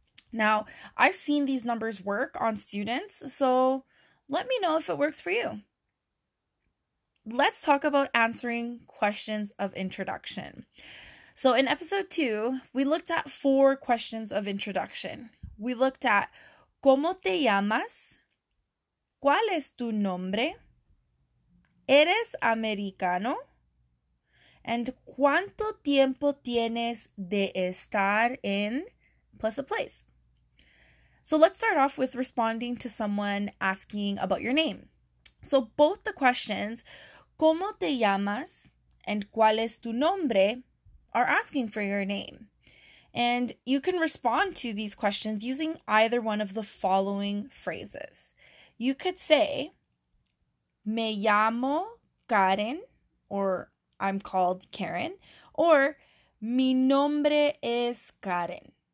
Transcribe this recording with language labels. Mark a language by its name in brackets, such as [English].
[English] Now, I've seen these numbers work on students, so let me know if it works for you. Let's talk about answering questions of introduction. So in episode 2, we looked at 4 questions of introduction. We looked at [Spanish] ¿Cómo te llamas? ¿Cuál es tu nombre? ¿Eres americano? And ¿Cuánto tiempo tienes de estar en? [English] Plus a place. So let's start off with responding to someone asking about your name. So both the questions [Spanish] ¿Cómo te llamas? And ¿Cuál es tu nombre? [English] Are asking for your name. And you can respond to these questions using either one of the following phrases. You could say, [Spanish] me llamo Karen, [English] or I'm called Karen, or [Spanish] mi nombre es Karen.